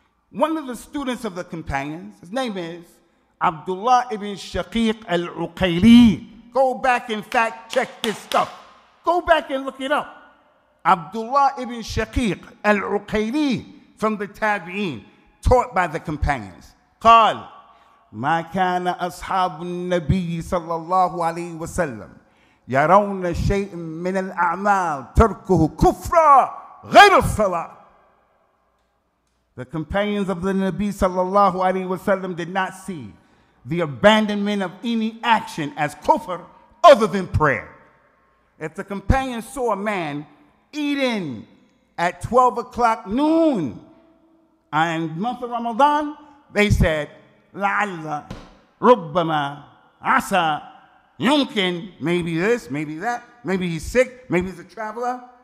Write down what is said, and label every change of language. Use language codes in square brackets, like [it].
[en] One of the students of the companions, his name is Abdullah ibn Shaqiq al-Uqayli. Go back and fact check this stuff. Go back and look it up. Abdullah ibn Shaqiq al-Uqayli from the Tabi'in, taught by the companions. [ar] قال ما كان أصحاب النبي صلى الله عليه وسلم يرون شيء من الأعمال تركه كفرا غير الصلاة. [en] The companions of the Nabi sallallahu alayhi wa sallam did not see the abandonment of any action as kufr other than prayer. If the companions saw a man eating at 12 o'clock noon and month of Ramadan, they said, [ar] la'alla, rubbama, asa, yumkin, [en] maybe this, maybe that, maybe he's sick, maybe he's a traveler.